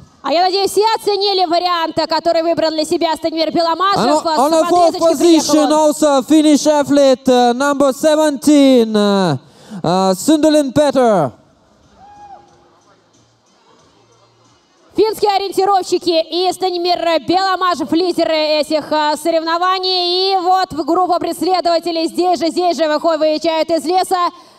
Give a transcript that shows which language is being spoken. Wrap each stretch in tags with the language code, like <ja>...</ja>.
<ru>А я надеюсь, все оценили варианты, которые выбрал для себя Станимир Беломажев.</ru> <en>And on the fourth position also Finnish athlete number 17 Sundelin Petter.</en> <ru>Финские ориентировщики и Станимир Беломажев, лидеры этих соревнований. И вот группа преследователей здесь же выезжают из леса.</ru>